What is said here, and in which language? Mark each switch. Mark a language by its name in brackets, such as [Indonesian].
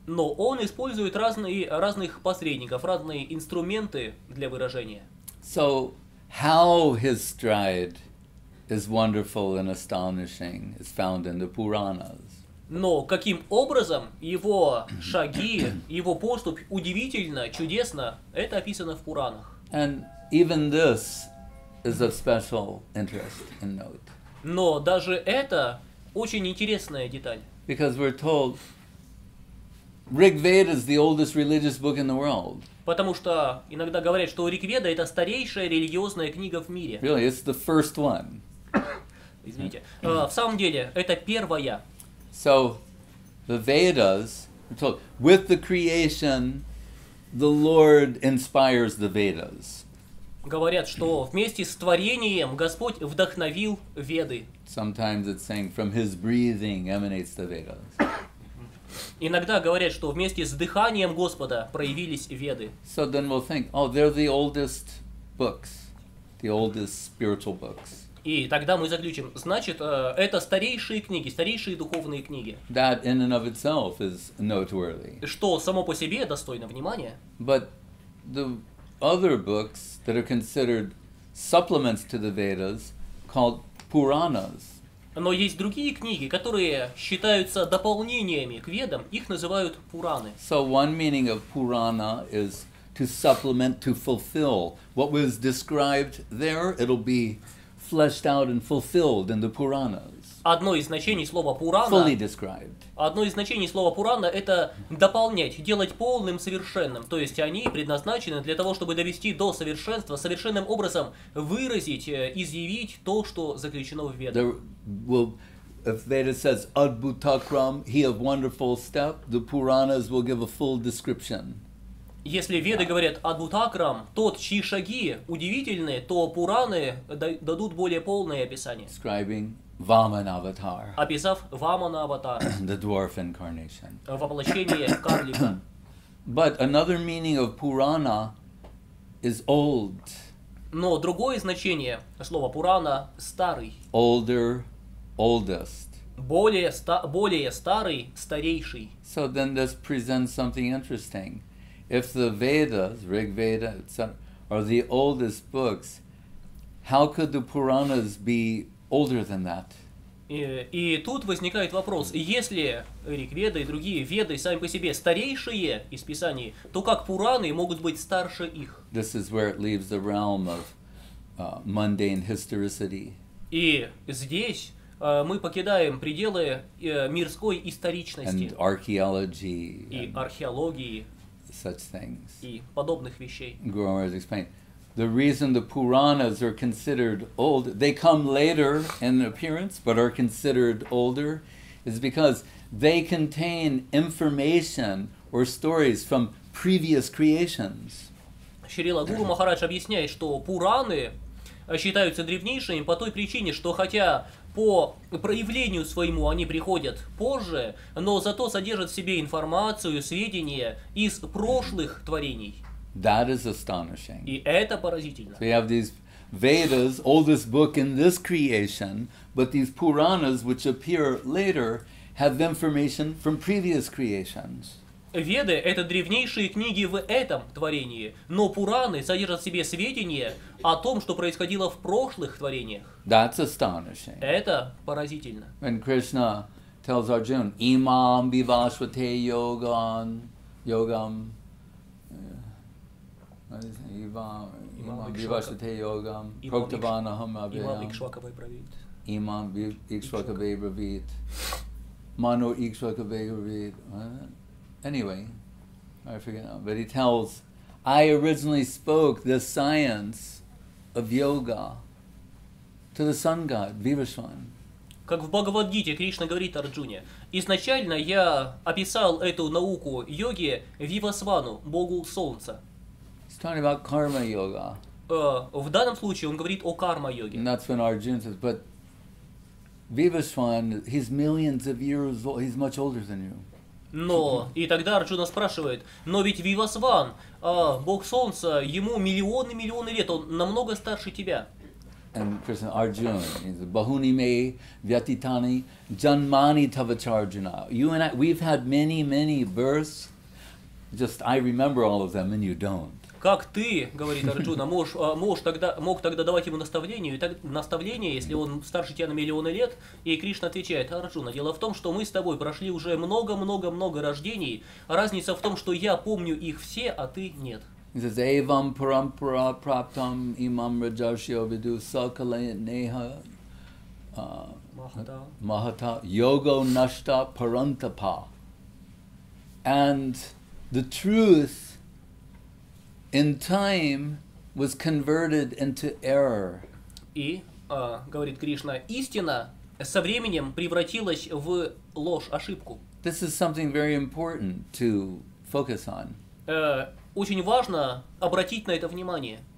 [Russian] Но он использует разных посредников, разные инструменты для выражения. [English] So, how his stride is wonderful and astonishing is found in the Puranas. [Russian] Но каким образом его шаги, его поступь удивительно, чудесно, это описано в Пуранах. [English] And even this is of special interest and note. [Russian] Но даже это очень интересная деталь. [English] Because we're told Ригведа is the oldest religious book in the world. [Russian] Потому что иногда говорят, что Ригведа — это старейшая религиозная книга в мире. [English] Really, it's the first one. [Russian] Извините. В самом деле, это первая. [English] So, the Vedas, with the creation, the Lord inspires the Vedas. [Russian] Говорят, что вместе с творением Господь вдохновил Веды. [English] Sometimes it's saying, from his breathing emanates the Vedas. [Russian] Иногда говорят, что вместе с дыханием Господа проявились Веды. [English] So then we'll think, oh, they're the oldest books, the oldest spiritual books. [Russian] И тогда мы заключим, значит, это старейшие книги, старейшие духовные книги. [English] That in and of itself is noteworthy. [Russian] Что само по себе достойно внимания. [English] But the other books that are considered supplements to the Vedas, called Puranas. [Russian] Но есть другие книги, которые считаются дополнениями к Ведам, их называют Пураны. [English] So one meaning of Purana is to supplement, to fulfill. What was described there, it'll be fleshed out and fulfilled in the Puranas. [Russian] Одно из значений слова Пурана. [English] Fully described. [Russian] Одно из значений слова Пурана — это дополнять, делать полным, совершенным. То есть они предназначены для того, чтобы довести до совершенства, совершенным образом выразить, изъявить то, что заключено в Ведах. [English] If Veda says adbhutakram, he of wonderful step, the Puranas will give a full description. [Russian] Если Веды говорят «Адбутакрам», тот, чьи шаги удивительны, то Пураны дадут более полное описание. [English] Describing Ваманаватар. [Russian] Описав Ваманаватар. [English] The dwarf incarnation. [Russian] Воплощение карлика. [English] But another meaning of Purana is old. [Russian] Но другое значение слова Пурана – старый. [English] Older, oldest. [Russian] Более старый, старейший. [English] So then this presents something interesting. If the Vedas, Rig Veda, etc., are the oldest books, How could the Puranas be older than that? [Russian] И тут возникает вопрос: если Ригведа и другие Веды сами по себе старейшие из Писаний, то как Пураны могут быть старше их? [English] This is where it leaves the realm of mundane historicity. [Russian] И здесь мы покидаем пределы мирской историчности [English] and archaeology, [Russian] и археологии [English] such things. [Russian] И подобных вещей. [English] Guru Maharaj explained, the reason the Puranas are considered old, they come later in appearance, but are considered older, is because they contain information or stories from previous creations. [Russian] Шрила Гуру Махарадж объясняет, что Пураны считаются древнейшими по той причине, что хотя по проявлению своему они приходят позже, но зато содержат в себе информацию, сведения из прошлых творений. [English] That is astonishing. [Russian] И это поразительно. [English] So you have these Vedas, oldest book in this creation, but these Puranas, which appear later, have information from previous creations. [Russian] Веды — это древнейшие книги в этом творении, но Пураны содержат в себе сведения о том, что происходило в прошлых творениях. [English] That's astonishing. [Russian] Это поразительно. [English] When Krishna tells Arjuna, [Sanskrit] imam bivashvate yogan, yogam, imam bivashvate yogam, proktavanaham abhid, imam ikshvakavai bravit, mano ikshvakavai. [English] Anyway, I forget now, but he tells, I originally spoke the science of yoga to the sun god, Vivashvan. [Russian] Как в Бхагавадгите Кришна говорит Арджуне, изначально я описал эту науку йоги Вивасвану, богу солнца. [English] He's talking about karma yoga. [Russian] В данном случае он говорит о карма йоге. [English] And that's when Arjuna says, but Vivashvan, he's millions of years old, he's much older than you. [Russian] Но, и тогда Арджуна спрашивает, но ведь Вивасван, Бог Солнца, ему миллионы-миллионы лет, он намного старше тебя. [English] And Krishna, Arjuna, he's a [Sanskrit] bahuni me, vyatitani, janmani tavacharjuna. [English] You and I, we've had many, many births, just I remember all of them and you don't. [Russian] Как ты, говорит Арджуна, мог тогда давать ему наставление, если он старше тебя на миллионы лет? И Кришна отвечает, Арджуна, дело в том, что мы с тобой прошли уже много-много-много рождений. Разница в том, что я помню их все, а ты нет. [Sanskrit] Эйвам парампара праптам имам раджаршио виду сакала неха махата йога нашта парантапа. [English] And the truth in time was converted into error. [Russian] И, говорит Кришна, истина со временем превратилась в ложь, ошибку. [English] This is something very important to focus on. [Russian] Очень важно обратить на это внимание.